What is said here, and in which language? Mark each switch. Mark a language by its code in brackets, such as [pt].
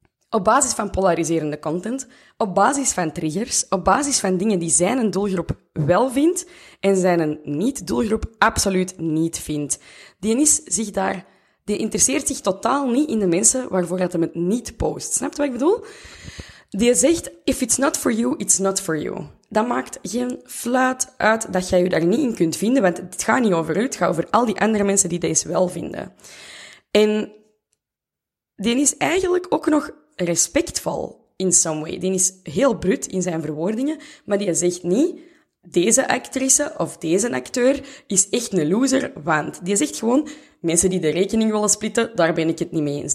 [nl] Op basis van polariserende content, op basis van triggers, op basis van dingen die zijn een doelgroep wel vindt en zijn een niet-doelgroep absoluut niet vindt. Die interesseert zich totaal niet in de mensen waarvoor hij het niet post. Snap je wat ik bedoel? Die zegt, [en] if it's not for you, it's not for you. [nl] Dat maakt geen fluit uit dat jij je daar niet in kunt vinden, want het gaat niet over u, het gaat over al die andere mensen die deze wel vinden. En die is eigenlijk ook nog respectvol [en] in some way. [nl] Die is heel brut in zijn verwoordingen, maar die zegt niet, deze actrice of deze acteur is echt een loser, want die zegt gewoon, mensen die de rekening willen splitten, daar ben ik het niet mee eens.